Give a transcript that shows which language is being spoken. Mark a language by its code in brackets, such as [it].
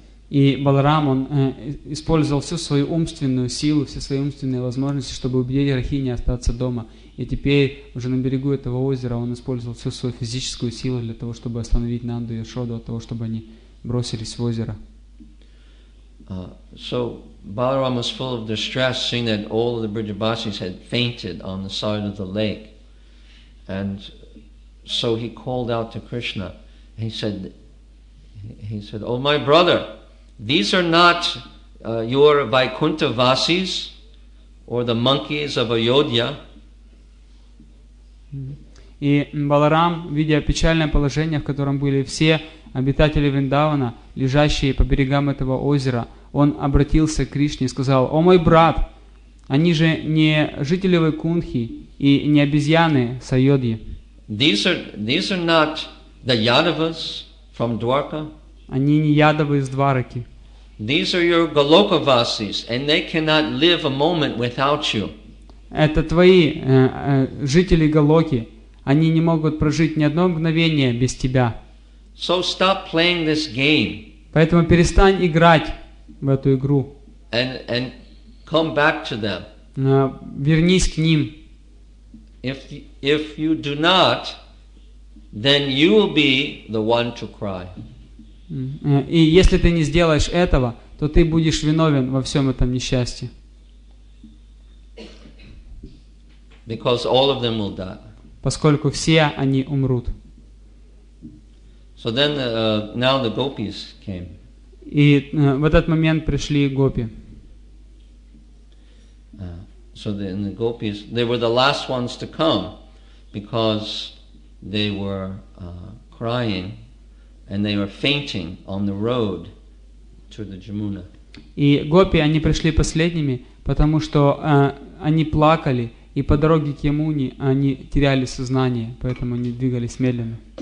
[ru] И Баларам, он использовал всю свою умственную силу, все свои умственные возможности, чтобы убедить Рахини остаться дома. И теперь, уже на берегу этого озера, он использовал всю свою физическую силу для того, чтобы остановить Нанду и Яшоду от того, чтобы они бросились в озеро. [en] So Balaram was full of distress, seeing that all of the Brijabasis had fainted on the side of the lake. And so he called out to Krishna. He said, "Oh, my brother, these are not your Vaikuntha Vasis or the monkeys of Ayodhya." [ru] И Баларам, видя печальное положение, в котором были все обитатели Вриндавана, лежащие по берегам этого озера, он обратился к Кришне и сказал: «О мой брат, они же не жители Вайкунтхи и не обезьяны Сайодхи». [en] These are not the Yadavas from Dwarka. [ru] Они не Ядавы из Двараки. [en] These are your Golokavasis, and they cannot live a moment without you. [ru] Это твои жители Голоки. Они не могут прожить ни одно мгновение без тебя. [en] So stop playing this game. [ru] Поэтому перестань играть в эту игру. [en] And come back to them. [ru] Вернись к ним. [en] If you do not, then you will be the one to cry. [ru] И если ты не сделаешь этого, то ты будешь виновен во всем этом несчастье. [en] Because all of them will die. [ru] Поскольку все они умрут. [en] So then, now the gopis came. [ru] И в этот момент пришли гопи. [en] So then the gopis, they were the last ones to come, because they were crying and they were fainting on the road to the Jamuna. [ru] И гопи, они пришли последними, потому что они плакали, и по дороге к Ямуне они теряли сознание, поэтому они двигались медленно.